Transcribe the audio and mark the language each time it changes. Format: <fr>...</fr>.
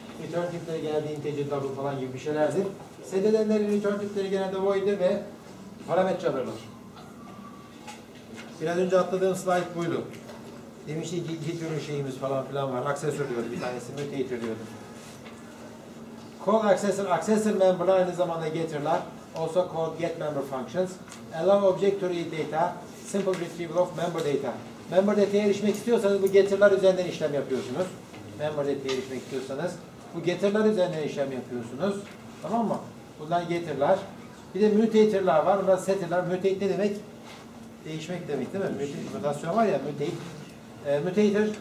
<tr>Return tipleri genelde integer, double falan gibi bir şeylerdir. Set edenlerin return tipleri genelde void'dir ve parametre alırlar. Biraz önce atladığım slide buydu. Demişti ki git ürün şeyimiz falan filan var. Accessor diyordu bir tanesi. Mutator diyordu.</tr> <en>Call accessor.</en> <tr>Accessor member'lar aynı zamanda getter'lar.</tr> <en>Also called get member functions. Allow object to read data. Simple retrieval of member data.</en> <tr>Member data'ya erişmek istiyorsanız bu getter'lar üzerinden işlem yapıyorsunuz. Member data'ya erişmek istiyorsanız bu getter'lar üzerinden işlem yapıyorsunuz. Tamam mı? Bunlar getter'lar. Bir de mutator'lar var. Bunlar setter'lar. Mutate ne demek? Değişmek demek değil mi? Mutasyon var ya mutate. Mutator.</tr>